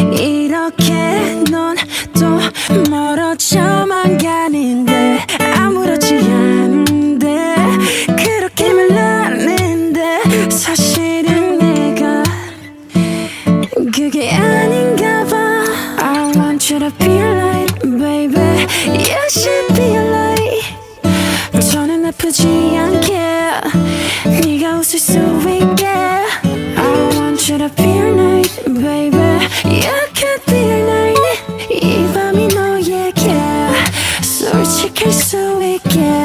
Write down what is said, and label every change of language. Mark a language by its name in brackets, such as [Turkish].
[Korean] 이렇게 넌 또 멀어져만 가는데. 아무렇지 않은데 그렇게 말하는데 사실은 내가 그게 아닌가 봐. [English] I want you to be a light, baby. You should be a light. [Korean] 저는 아프지 않게 네가 웃을 수 있게. [English] I want you to be a light, baby. You could be a light. [Korean] 이 밤이 너에게 솔직할 수 있게.